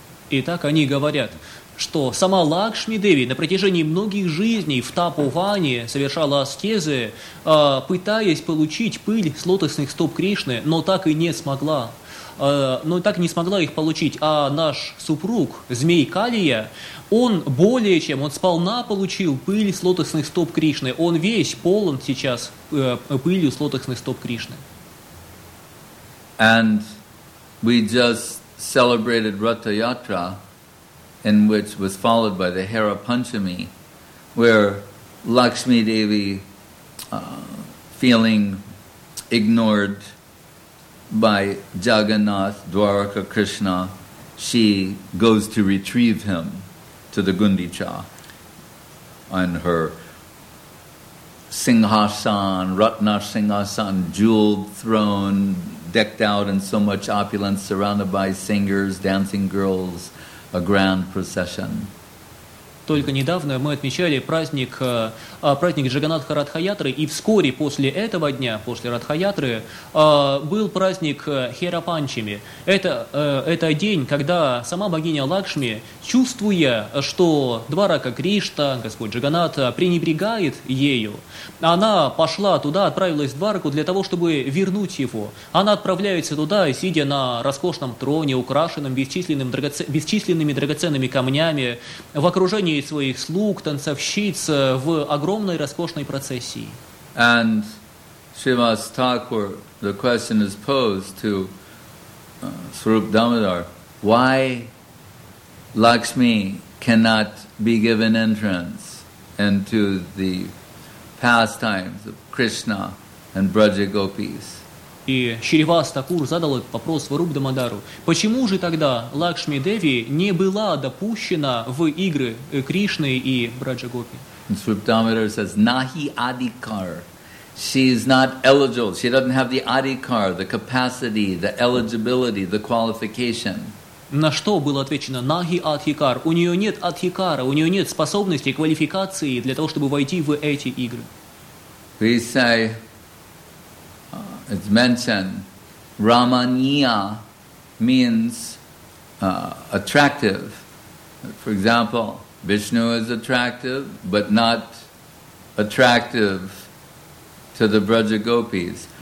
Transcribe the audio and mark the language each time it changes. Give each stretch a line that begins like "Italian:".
Russian: Итак, они говорят, что сама Лакшми Деви на протяжении многих жизней в Тапуване совершала аскезы, пытаясь получить пыль с лотосных стоп Кришны, но так и не смогла. Но так не смогла их получить. А наш супруг, змей Калия, он более чем, он сполна получил пыль с лотосных стоп Кришны. Он весь полон сейчас пылью с лотосных стоп Кришны.
English: And we just celebrated Ratha Yatra, in which was followed by the Hara Panchami, where Lakshmi Devi, feeling ignored by Jagannath, Dwaraka Krishna, she goes to retrieve him to the Gundicha on her Singhasan, Ratna Singhasan, jeweled throne, decked out in so much opulence, surrounded by singers, dancing girls, a grand procession.
Russian: Только недавно мы отмечали праздник Джаганнатха Радхаятры, и вскоре после этого дня, после Радхаятры, был праздник Херапанчами. Это день, когда сама богиня Лакшми, чувствуя, что Дварака Кришна, Господь Джаганнат, пренебрегает ею, она пошла туда, отправилась в Двараку для того, чтобы вернуть его. Она отправляется туда, сидя на роскошном троне, украшенном бесчисленными драгоценными камнями, в окружении своих слуг, танцовщиц в огромной роскошной процессии.
English: And Srivas Thakur, the question is posed to Swarup Damodar, why Lakshmi cannot be given entrance into the pastimes of Krishna and Braja Gopis?
Russian: И Шривас Такур задал этот вопрос Сваруп Дамодару. Почему же тогда Лакшми Деви не была допущена в игры Кришны и Браджа Гопи?
English: Сваруп Дамодар says, Nahi Adhikar. She is not eligible. She doesn't have the Adhikar, the capacity, the eligibility, the qualification.
Russian: На что было отвечено? Наги Адхикар. У нее нет Адхикара, у нее нет способности, квалификации для того, чтобы войти в эти игры.
English: We say, it's mentioned, Ramaniya means attractive. For example, Vishnu is attractive, but not attractive to the Braja Gopis.